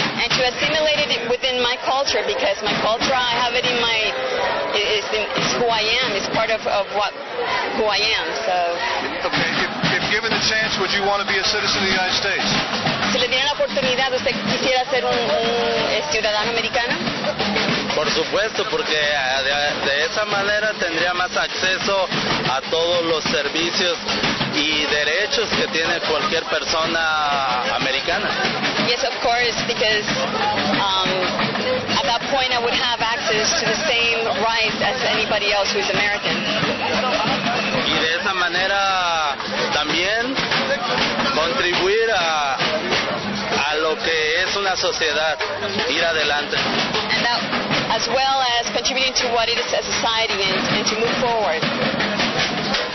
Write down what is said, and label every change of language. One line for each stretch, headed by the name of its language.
English: And to assimilate it within my culture, because my culture, I have it in my, it's who I am, it's part of what, who I am, so. Okay, if given the chance, would you want to be a citizen of the United States?
Spanish: Si le dieran la oportunidad, ¿usted quisiera ser un ciudadano americano? Por supuesto, porque de esa manera tendría más acceso a todos los servicios y derechos que tiene cualquier persona americana.
English: Yes, of course, because at that point I would have access to the same rights as anybody else who is American.
Spanish: Y de esa manera también contribuir a lo que es una sociedad, ir adelante.
English: And that, as well as contributing to what it is a society and to move forward.